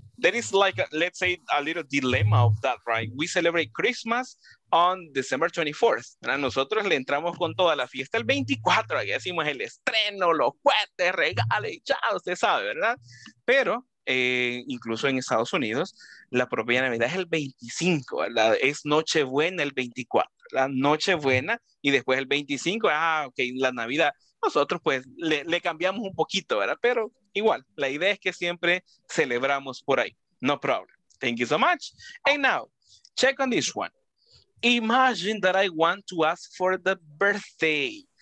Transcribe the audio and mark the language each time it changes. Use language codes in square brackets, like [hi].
[en] There is like, let's say, a little dilemma of that, right? We celebrate Christmas on December 24th. ¿Verdad? [es] Nosotros le entramos con toda la fiesta el 24, aquí decimos el estreno, los cohetes, regales, ya usted sabe, ¿verdad? Pero incluso en Estados Unidos, la propia Navidad es el 25, ¿verdad? Es Nochebuena el 24, la Nochebuena, y después el 25, ok, la Navidad. Nosotros pues le cambiamos un poquito, ¿verdad? Pero igual, la idea es que siempre celebramos por ahí. [en] No problem. Thank you so much. And now, check on this one. Imagine that I want to ask for the birthday.